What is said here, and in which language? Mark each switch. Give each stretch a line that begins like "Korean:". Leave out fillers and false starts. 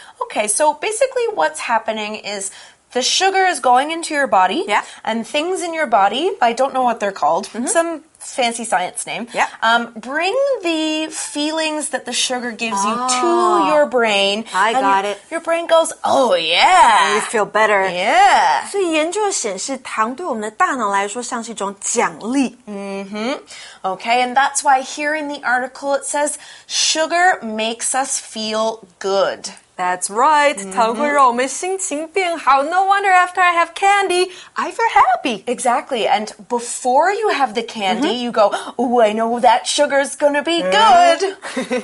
English: Okay, so basically what's happening is the sugar is going into your body. Yeah. And things in your body, I don't know what they're called, some fancy science name. Yeah. Bring the feelings that the sugar gives you to your brain. I got it. Your brain goes, oh yeah. You feel better. Yeah.
Chinese: 所以研究显示糖对我们的大脑来说像是一种奖励。
English: Okay, and that's why here in the article it says, sugar makes us feel good. That's right.
Chinese: 糖会让我们心情变好。
English: No wonder after I have candy, I feel happy. Exactly, and before you have the candy, you go, oh, I know that sugar's gonna be good.